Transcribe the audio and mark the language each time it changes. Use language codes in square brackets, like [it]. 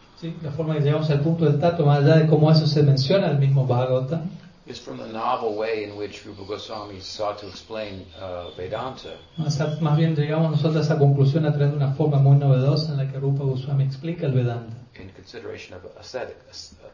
[es] Sí, la forma que llegamos al punto del tattva, más allá de cómo eso se menciona en el mismo Bhagavatam. [en] Is from the novel way in which Rupa Goswami sought to explain Vedanta. [es] Más bien llegamos nosotros a esa conclusión a través de una forma muy novedosa en la que Rupa Goswami explica el Vedanta. [en] In consideration of aesthetics.